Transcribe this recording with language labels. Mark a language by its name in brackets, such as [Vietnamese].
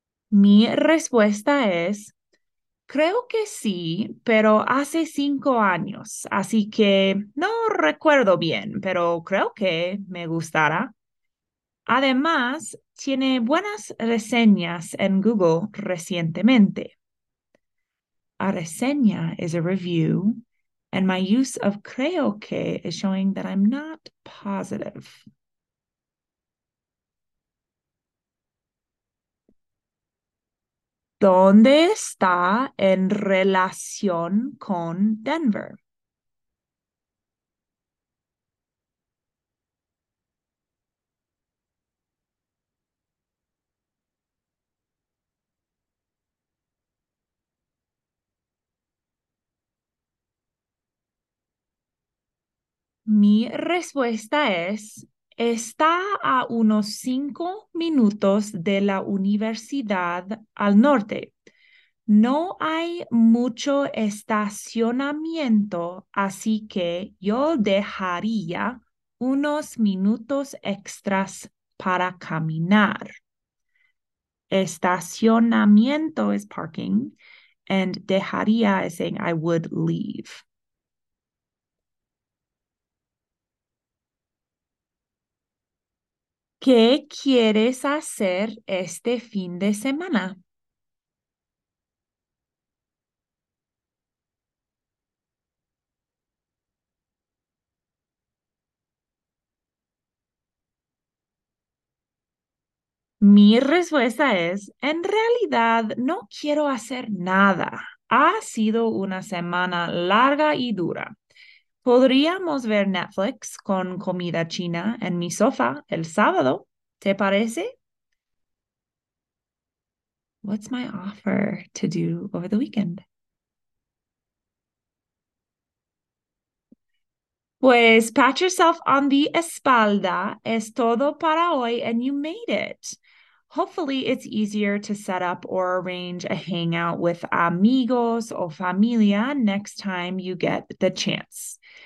[Spanish] Mi respuesta es, creo que sí, pero hace 5 años, así que no recuerdo bien, pero creo que me gustará. Además, tiene buenas reseñas en Google recientemente. [English] A reseña is a review, and my use of creo que is showing that I'm not positive. [Spanish] ¿Dónde está en relación con Denver? Mi respuesta es, está a unos 5 minutos de la universidad al norte. No hay mucho estacionamiento, así que yo dejaría unos minutos extras para caminar. [English] Estacionamiento is parking, and dejaría is saying I would leave. [Spanish] ¿Qué quieres hacer este fin de semana? Mi respuesta es, en realidad no quiero hacer nada. Ha sido una semana larga y dura. Podríamos ver Netflix con comida china en mi sofá el sábado, ¿te parece? [English] What's my offer to do over the weekend? Pues pat yourself on the espalda, [Spanish] es todo para hoy [English] and you made it. Hopefully it's easier to set up or arrange a hangout with [Spanish] amigos o familia [English] next time you get the chance.